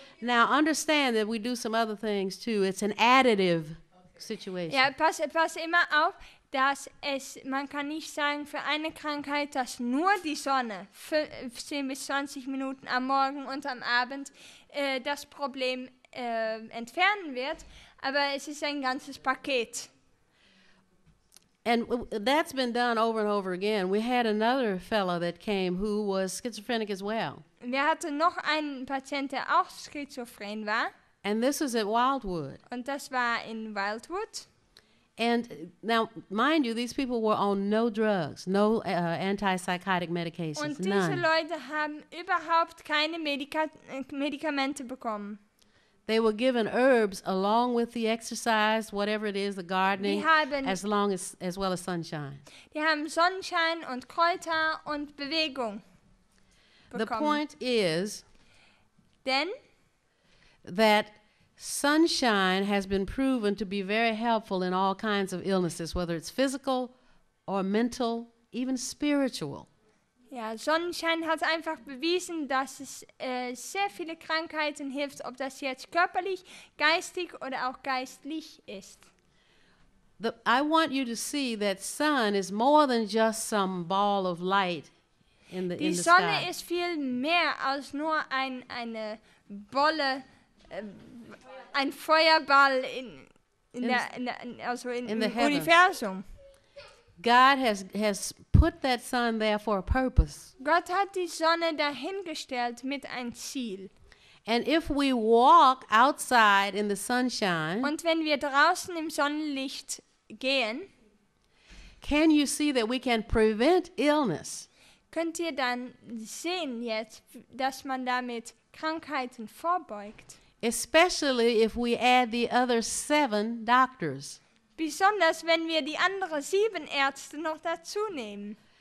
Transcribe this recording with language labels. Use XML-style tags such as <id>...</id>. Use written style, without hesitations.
<en>Now understand that we do some other things too. It's an additive situation.</en> <de>Ja, pass immer auf. Dass es, man kann nicht sagen, für eine Krankheit, dass nur die Sonne 15 bis 20 Minuten am Morgen und am Abend das Problem entfernen wird, aber es ist ein ganzes Paket.</de> <en>And that's been done over and over again. We had another fellow that came who was schizophrenic as well.</en> <de>Wir hatten noch einen Patienten, der auch schizophren war.</de> <en>And this was at Wildwood.</en> <de>Und das war in Wildwood.</de> <en>And now, mind you, these people were on no drugs, no antipsychotic medications,</en> <de>und</de> <en>none.</en> <de>Und diese Leute haben überhaupt keine Medikamente bekommen.</de> <en>They were given herbs along with the exercise, whatever it is, the gardening, as well as sunshine.</en> <de>Die haben Sonnenschein und Kräuter und Bewegung bekommen.</de> <en>The point is, then, that sunshine has been proven to be very helpful in all kinds of illnesses, whether it's physical or mental, even spiritual.</en> <de>Ja, Sonnenschein hat einfach bewiesen, dass es sehr viele Krankheiten hilft, ob das jetzt körperlich, geistig oder auch geistlich ist.</de> <en>I want you to see that sun is more than just some ball of light in the sky.</en> <de>Die Sonne ist viel mehr als nur eine Bolle, ein Feuerball in the Universum.</de> <en>God has put that sun there for a purpose.</en> <de>Gott hat die Sonne dahingestellt mit einem Ziel.</de> <en>And if we walk outside in the sunshine,</en> <de>und wenn wir draußen im Sonnenlicht gehen,</de> <en>can you see that we can prevent illness?</en> <de>Könnt ihr dann sehen jetzt, dass man damit Krankheiten vorbeugt?</de> <en>Especially if we add the other 7 doctors.</en> <de>Besonders wenn wir die anderen 7 Ärzte noch dazu nehmen.</de>